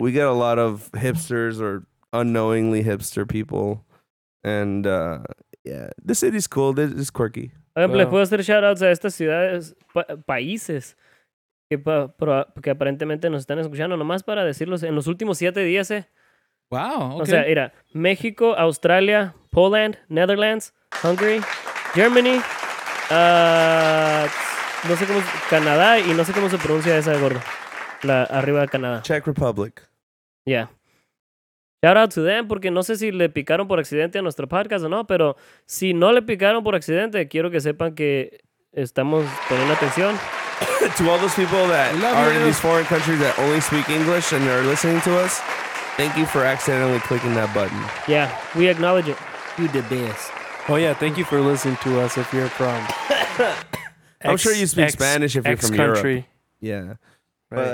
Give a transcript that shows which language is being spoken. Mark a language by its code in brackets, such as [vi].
[en] We get a lot of hipsters or unknowingly hipster people. And the city's cool. It's quirky. [es] Les puedo hacer shoutouts a estas ciudades, países, que aparentemente nos están escuchando, nomás para decirlos, en los últimos 7 días, [en] Wow, okay. [es] O sea, mira, México, Australia, Poland, Netherlands, Hungary, Germany, no sé cómo es, Canadá, y no sé cómo se pronuncia esa de gordo, la arriba de Canadá. [en] Czech Republic. Yeah. Shout out to them, [es] porque no sé si le picaron por accidente a nuestro podcast o no, pero si no le picaron por accidente, quiero que sepan que estamos poniendo atención. [en] To all those people that are in these foreign countries that only speak English and are listening to us, thank you for accidentally clicking that button. Yeah, we acknowledge it. You did this. Oh yeah, thank you for listening to us if you're from... I'm sure you speak Spanish if you're from country. Europe. Yeah. Right.